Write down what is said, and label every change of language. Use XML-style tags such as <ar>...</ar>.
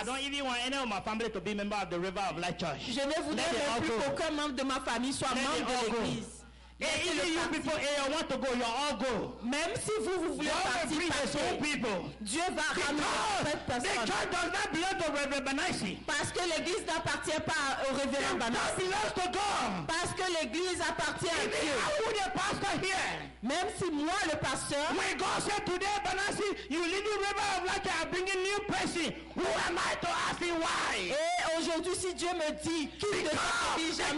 <en>I don't even want any of my family to be member of the River of Life Church.</en> <fr>Je ne voudrais même plus qu'aucun membre de ma famille soit membre de l'église.</fr> <en>Et even you people, if you want to go, you all go.</en> <fr>Même si vous voulez partir, Dieu va ramener cette personne.</fr> <en>The church does not belong to Reverend Banassi.</en> <fr>Parce que l'église n'appartient pas au Reverend Banassi.</fr> <en>It belongs to God.</en> <fr>Parce que l'église appartient à Dieu.</fr> <en>Even if the pastor here.</en> <fr>Même si moi le pasteur.</fr> <en>When God said today, Banassi, you lead the River of Life, I bring a new person. Who am I to ask him why?</en> <fr>Et aujourd'hui, si Dieu me dit, qui de qui j'aime?</fr>